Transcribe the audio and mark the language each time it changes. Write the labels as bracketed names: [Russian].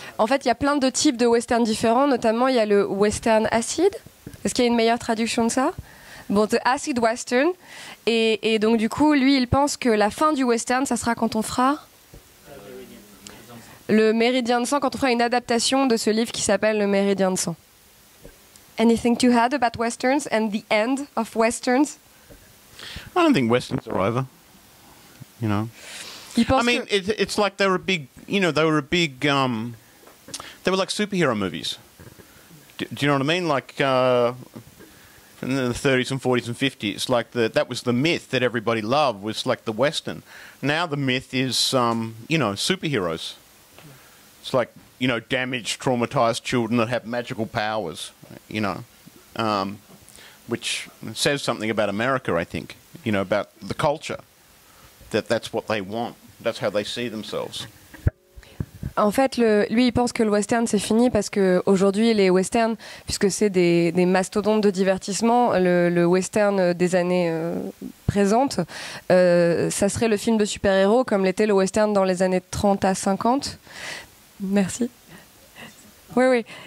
[French] En fait, il y a plein de types de Western différents. Notamment, il y a le Western Acid. Est-ce qu'il y a une meilleure traduction de ça? Bon, The Acid Western. Et donc, du coup, lui, il pense que la fin du Western, ça sera quand on fera... Le Méridien de Sang, quand on fera une adaptation de ce livre qui s'appelle Le Méridien de Sang. [English] Anything to add about Westerns and the end of Westerns? I don't think Westerns are over. You know? [French] Il pense [English] I mean, it's like they were a big... You know, they were a big... they were like superhero movies. Do you know what I mean? Like... In the 30s and 40s and 50s, like that was the myth that everybody loved, was like the Western. Now the myth is, you know, superheroes. It's like, you know, damaged, traumatized children that have magical powers, you know, which says something about America, I think, you know, about the culture, that's what they want. That's how they see themselves. [French] En fait, lui, il pense que le western, c'est fini parce qu'aujourd'hui, les westerns, puisque c'est des mastodontes de divertissement, le western des années présentes, ça serait le film de super-héros comme l'était le western dans les années 30 à 50. Merci. Oui, oui.